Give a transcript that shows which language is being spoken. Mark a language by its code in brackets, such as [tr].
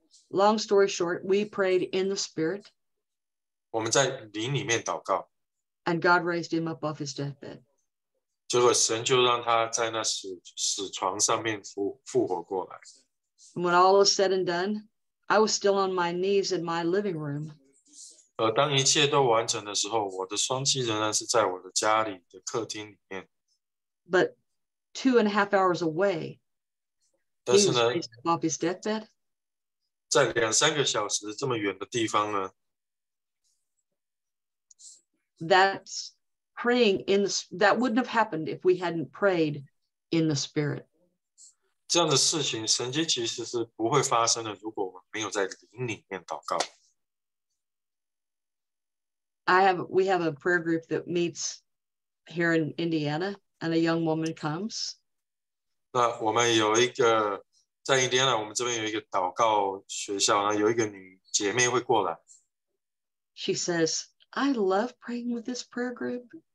[en] Long story short, we prayed in the spirit. And God raised him up off his deathbed. [zh] 结果神就让他在那死床上面复活过来。 [en] And when all was said and done, I was still on my knees in my living room. [zh] 当一切都完成的时候, 我的双膝仍然是在我的家里的客厅里面。 [en] But 2.5 hours away, [zh] 但是呢, [en] he was raised off his deathbed. [zh] 在两三个小时这么远的地方呢, [en] that's praying in the, that wouldn't have happened if we hadn't prayed in the spirit. [zh] 这样的事情, 神迹其实是不会发生的, 如果我们没有在灵里面祷告。 [en] We have a prayer group that meets here in Indiana, and a young woman comes. [zh] 那我们有一个, 在Indiana, 我们这边有一个祷告学校, 有一个女姐妹会过来。 [en] She says, I love praying with this prayer group.